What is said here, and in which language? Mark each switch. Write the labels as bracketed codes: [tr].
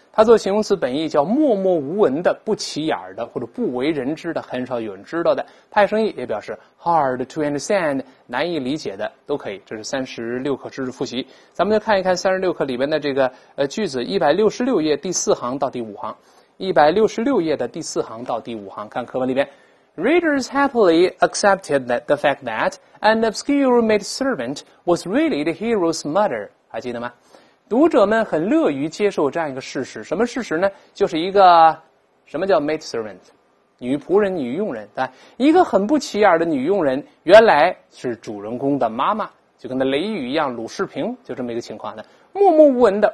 [zh] 它做形容词本意叫默默无闻的、不起眼的或者不为人知的、很少有人知道的。派生意也表示 hard to understand，难以理解的都可以。这是36课知识复习，咱们就看一看36课里面的这个句子，166页第四行到第五行，166页的第四行到第五行，看课文里面。 [en] Readers happily accepted that the fact that an obscure maid servant was really the hero's mother，还记得吗？ [zh] 读者们很乐于接受这样一个事实，什么事实呢？就是一个什么叫 maid servant， 女仆人、女佣人，对吧？一个很不起眼的女佣人，原来是主人公的妈妈，就跟那雷雨一样，鲁士平，就这么一个情况的，默默无闻的。